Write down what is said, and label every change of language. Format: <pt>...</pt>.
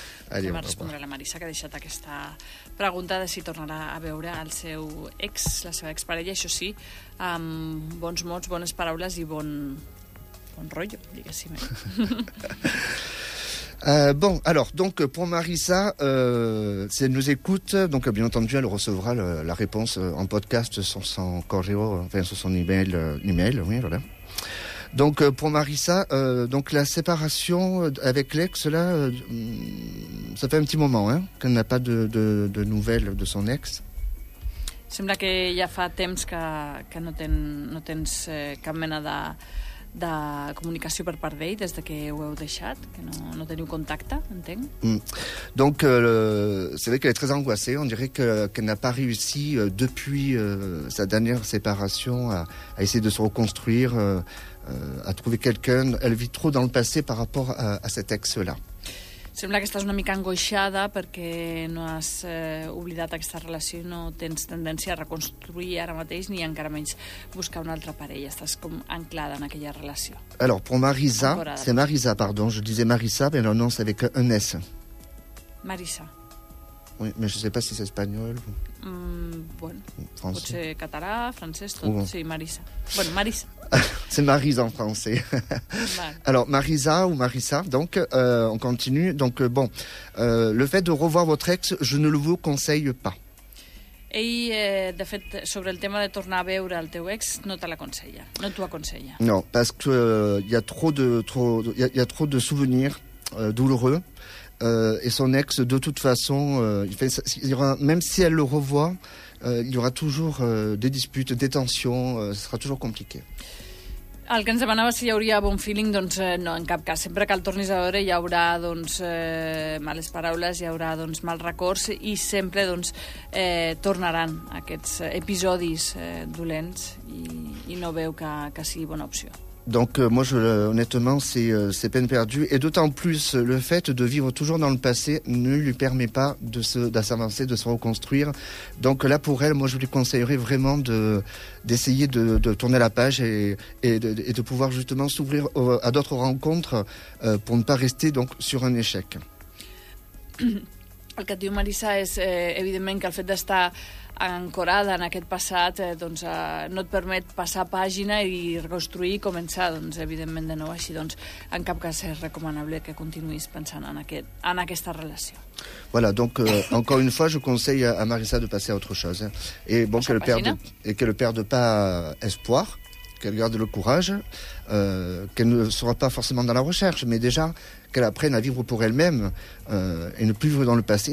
<ca>Allez, va respondre à la Marissa qui a deixat aquesta pregunta de si tornarà a veure el seu ex, la seva exparella, això sí, amb bons mots, bones paraules i bon rotllo, diguéssim.</ca> <fr>Bon, alors, donc, pour Marissa, si elle nous écoute, donc, bien entendu, elle recevra la réponse en podcast sur son correo, enfin, sur son email, oui, voilà. Donc pour Marissa, donc la séparation avec l'ex, là, ça fait un petit moment hein, qu'elle n'a pas de nouvelles de son ex.</fr> <ca>Sembla que ja fa temps que no tens cap mena de comunicació per part d'ell des que ho heu deixat, que no teniu contacte, entenc.</ca> <fr>Donc c'est vrai qu'elle est très angoissée. On dirait qu'elle n'a pas réussi depuis sa dernière séparation à essayer de se reconstruire. À trouver quelqu'un, elle vit trop dans le passé par rapport à cet ex-là.</fr> <ca>Sembla que estàs una mica angoixada perquè no has oblidat aquesta relació i no tens tendència a reconstruir ara mateix ni encara menys buscar una altra parella. Estàs com anclada en aquella relació.</ca> <fr>Alors, pour Marisa, c'est Marisa, pardon, je disais Marisa, mais le nom, c'est avec un S. Marisa. Oui, mais je sais pas si c'est espagnol ou... Bueno, français.</fr> <ca>Pot ser català, francès, tot. Bon. Sí, Marisa. Bueno, Marisa.</ca> <fr>C'est Marisa en français. Alors, Marisa ou Marissa, donc, on continue. Donc, bon, le fait de revoir votre ex, je ne le vous conseille pas.</fr> <ca>Ell, de fet, sobre el tema de tornar a veure el teu ex, no te l'aconsella, no t'ho aconsella.</ca> <fr>No, parce que y a trop de souvenirs douloureux. Et son ex, de toute façon, même si elle le revoit, il y aura toujours des disputes, des tensions, ce sera toujours compliqué.</fr> <ca>El que ens demanava si hi hauria bon feeling, doncs no, en cap cas. Sempre que el tornis a veure hi haurà doncs, males paraules, hi haurà doncs, mals records i sempre doncs, tornaran aquests episodis dolents i no veu que sigui bona opció.</ca> <fr>Donc moi, honnêtement, c'est peine perdue. Et d'autant plus, le fait de vivre toujours dans le passé ne lui permet pas de s'avancer, de se reconstruire. Donc là, pour elle, moi, je lui conseillerais vraiment d'essayer de tourner la page et de pouvoir justement s'ouvrir à d'autres rencontres pour ne pas rester donc, sur un échec.</fr> <ca>El que et diu Marisa és, evidentment, que el fet d'estar ancorada en aquest passat doncs, no et permet passar pàgina i reconstruir i començar doncs, evidentment de nou així doncs, en cap cas és recomanable que continuïs pensant en aquesta relació.</ca> <fr>Voilà, donc encore une fois je conseille à Marisa de passer à autre chose et bon qu'elle perde et qu'elle perde pas espoir, qu'elle garde le courage, qu'elle ne sera pas forcément dans la recherche mais déjà qu'elle apprenne à vivre pour elle-même et ne plus vivre dans le passé.</fr>